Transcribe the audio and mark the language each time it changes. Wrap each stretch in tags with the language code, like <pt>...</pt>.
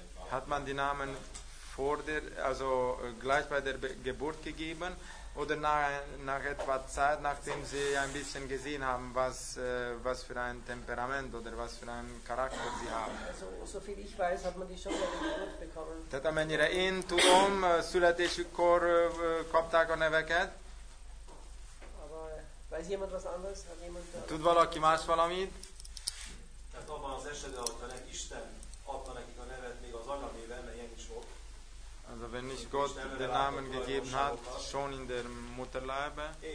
<de>Hat man die Namen vor der, also gleich bei der Geburt gegeben oder nach etwa Zeit, nachdem sie ein bisschen gesehen haben, was für ein Temperament oder was für ein Charakter sie haben? Also, so viel ich weiß, hat man die schon bei der Geburt bekommen.</de> <hu>Tehát amennyire én tudom, születésükkor kapták a neveket.</hu> <de>Aber weiß jemand was anderes? Hat jemand</de> <hu>tud valaki más valamit? Tehát abban az esetben, hogyha neki Isten adta nekik a nevet, még az anyami</hu> <de>Also wenn nicht Gott den Namen gegeben hat, schon in der Mutterleibe.</de>